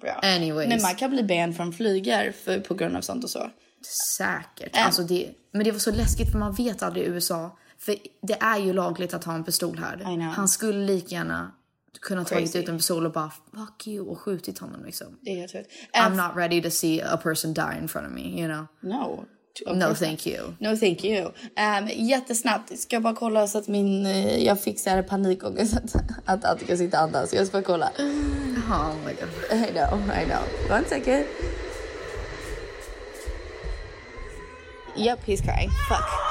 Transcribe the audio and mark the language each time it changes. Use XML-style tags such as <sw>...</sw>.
<en>Anyways.</en> <sv>Men man kan bli banned från flyger på grund av sånt och så. Säkert. Alltså det... Men det var så läskigt för man vet aldrig i USA. För det är ju lagligt att ha en pistol här. Han skulle lika gärna... kunna ta ut en pistol och bara</sv> <en>fuck you</en> <sv>och skjutit honom liksom. Det</sv> <en>I'm not ready to see a person die in front of me, you know. No thank you.</en> <sv>Jättesnabbt, ska jag bara kolla så att min jag fixar panikångest att allt kan sitta andas. Jag ska bara kolla.</sv> <en>Oh my god. I know. One second. Yep, he's crying. Fuck.</en>